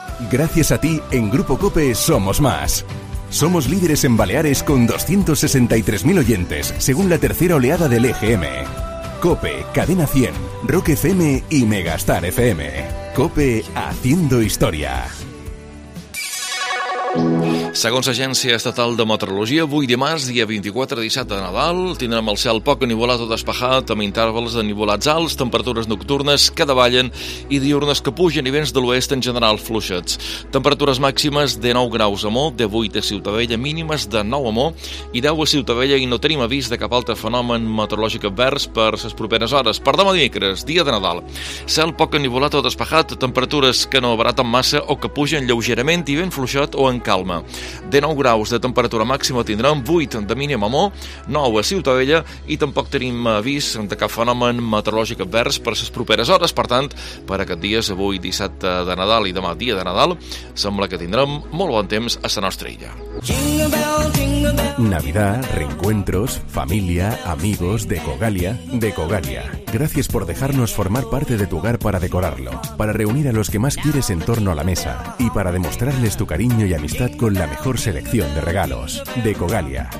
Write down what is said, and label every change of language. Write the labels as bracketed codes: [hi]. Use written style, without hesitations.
[es] Gracias a ti, en Grupo Cope somos más. Somos líderes en Baleares con 263.000 oyentes, según la tercera oleada del EGM. Cope, Cadena 100, Rock FM y Megastar FM. Cope, haciendo historia. [ca] Segons l'Agència Estatal de Meteorologia, avui dimarts, dia 24, dissabte de Nadal, tindrem el cel poc anivolat o despejat, amb intervals de nivolats alts, temperatures nocturnes que davallen i diurnes que pugen i vents de l'oest en general fluixets. Temperatures màximes de 9 graus a Mo, de 8 a Ciutadella, mínimes de 9 a Mo i 10 a Ciutadella, i no tenim avís de cap altre fenomen meteorològic advers per les properes hores. Per demà dimecres, dia de Nadal. Cel poc anivolat o despejat, temperatures que no abaraten massa o que pugen lleugerament i ben fluixet o en calma. De 9 graus de temperatura màxima tindrem, 8 de mínim a Mo, 9 a Ciutadella, i tampoc tenim avís de cap fenomen meteorològic advers per les properes hores. Per tant, per aquest dia, avui dissabte de Nadal i demà dia de Nadal, sembla que tindrem molt bon temps a la nostra illa. [es] Navidad, reencuentros, familia, amigos, Decogalia, Decogalia. Gracias por dejarnos formar parte de tu hogar para decorarlo, para reunir a los que más quieres en torno a la mesa y para demostrarles tu cariño y amistad con la mejor selección de regalos. Decogalia.